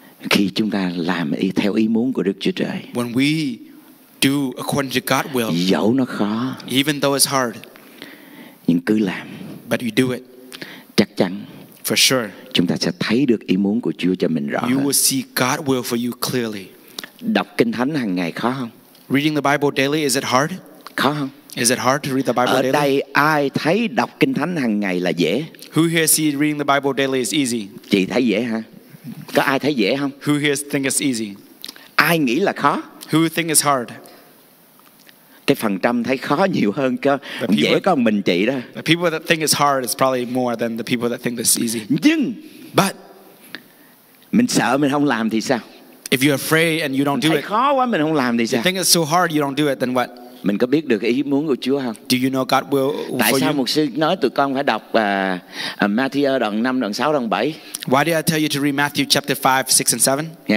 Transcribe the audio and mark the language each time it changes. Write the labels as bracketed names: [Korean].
[Vietnamese] Khi chúng ta làm theo ý muốn của Đức Chúa Trời. [English] When we do according to God's will. [Vietnamese] Dẫu nó khó. [English] Even though it's hard. [Vietnamese] Nhưng cứ làm. [English] But you do it. [Vietnamese] Chắc chắn. [English] For sure. [Vietnamese] Chúng ta sẽ thấy được ý muốn của Chúa cho mình rõ. [English] You will see God's will for you clearly. [Vietnamese] Đọc Kinh Thánh hàng ngày khó không? [English] Reading the Bible daily, is it hard? [Vietnamese] Khó không? [English] Is it hard to read the Bible [Vietnamese] ở [English] daily? [Vietnamese] Ở đây ai thấy đọc Kinh Thánh hàng ngày là dễ? [English] Who here sees reading the Bible daily is easy? [Vietnamese] Chị thấy dễ hả? Có ai thấy dễ không? [English] Who here think it's easy? [Vietnamese] Ai nghĩ là khó? [English] Who think it's hard? [Vietnamese] Cái phần trăm thấy khó nhiều hơn cơ. Dễ có mình chị đó. [English] The people that think it's hard is probably more than the people that think it's easy. [Vietnamese] Nhưng, [English] but [Vietnamese] mình sợ mình không làm thì sao? [English] If you're afraid and you don't do it. [Vietnamese] Khó quá mình không làm thì sao? [English] You think it's so hard you don't do it, then what? [Vietnamese] Mình có biết được ý muốn của Chúa không? [English] Do you know God will [Vietnamese] Tại [English] for [Vietnamese] sao [English] you? [Vietnamese] Mục sư nói tụi con phải đọc Matthew đoạn 5, đoạn 6, đoạn 7? [English] Why did I tell you to read Matthew chapter 5, 6 and 7?